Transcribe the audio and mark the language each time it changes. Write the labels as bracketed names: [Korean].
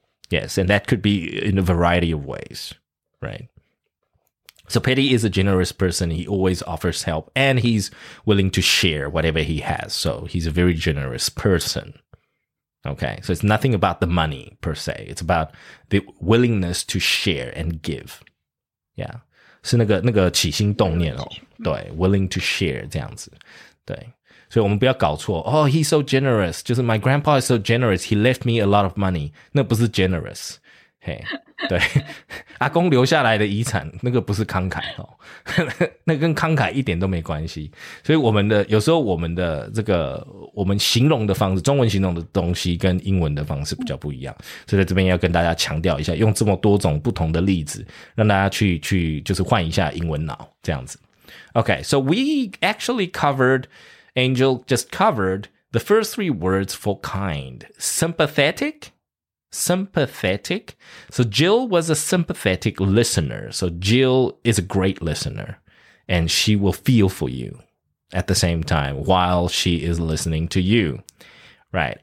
[English] Yes, and that could be in a variety of ways, right? So Petty is a generous person. He always offers help and he's willing to share whatever he has. So he's a very generous person. Okay, so it's nothing about the money per se. It's about the willingness to share and give. [Chinese] Yeah, 是那个起心动念哦，对 ， [English] willing to share [Chinese] 这样子，对，所以我们不要搞错。 [English] Oh, he's so generous. [Chinese] 就是 [English] my grandpa is so generous. He left me a lot of money. 那不是 generous. [Chinese] 嘿，对，阿公留下来的遗产，那个不是慷慨哦，那跟慷慨一点都没关系。所以我们的有时候我们的这个我们形容的方式，中文形容的东西跟英文的方式比较不一样，所以在这边要跟大家强调一下，用这么多种不同的例子让大家去就是换一下英文脑这样子。 [English] OK, so we actually covered, Angel just covered the first three words for kind. Sympathetic. So Jill was a sympathetic listener. So Jill is a great listener, and she will feel for youAt the same time, while she is listening to you. Right.